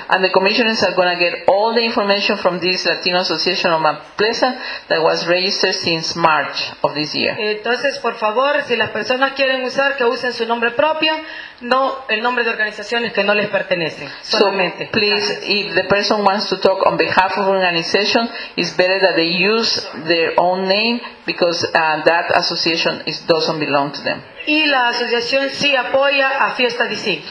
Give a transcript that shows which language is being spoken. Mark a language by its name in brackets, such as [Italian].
[English] And the commissioners are going to get all the information from this Latino Association of Mount Pleasant that was registered since March of this year. [Spanish] Entonces, por favor, si las personas quieren usar, que usen su nombre propio, no el nombre de organizaciones que no les pertenecen. Solamente. [English] So, please, if the person wants to talk on behalf of an organization, it's better that they use their own name, because that association doesn't belong to them. [Spanish] Y la asociación sí apoya a Fiesta DC.